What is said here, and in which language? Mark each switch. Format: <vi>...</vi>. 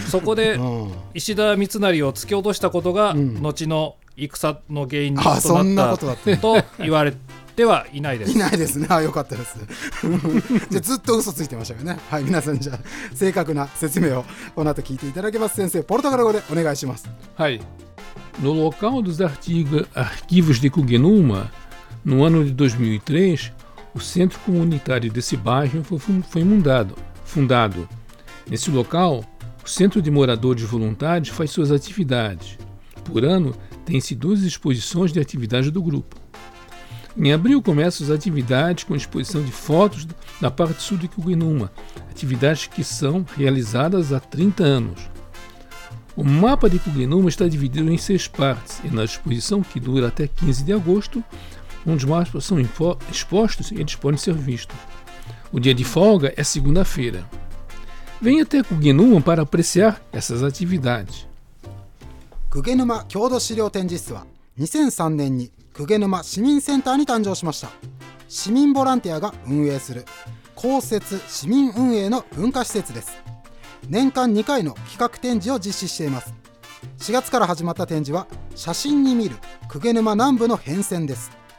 <ja>そこで石田三成を突き落としたことが、うん、後の戦の原因となった、と言われてはいないです。いないですね。あ、よかったですじゃずっと嘘ついてましたよね。はい、皆さんじゃ正確な説明をこの後聞いていただけます。先生ポルトガル語でお願いします。はい。</ja> <pt>No local dos arquivos de Cuguenuma, no ano de 2003, o centro comunitário desse bairro foi fundado. Nesse local, o Centro de Moradores Voluntários faz suas atividades. Por ano, tem-se 12 exposições de atividades do grupo. Em abril, começam as atividades com exposição de fotos da parte sul de Cuguenuma, atividades que são realizadas há 30 anos. O mapa de Cuguenuma está dividido em 6 partes e na exposição, que dura até 15 de agosto, onde os mapas são expostos e eles podem ser vistos. O dia de folga é segunda-feira. Venha até Cuguenuma para apreciar essas atividades.</pt> <ja>Cuguenuma 郷土資料展示室は2003年に Cuguenuma 市民センターに誕生しました。市民ボランティアが運営する公設市民運営の文化施設です。年間2回の企画展示を実施しています。4月から始まった展示は写真に見る鵠沼南部の変遷です。</ja>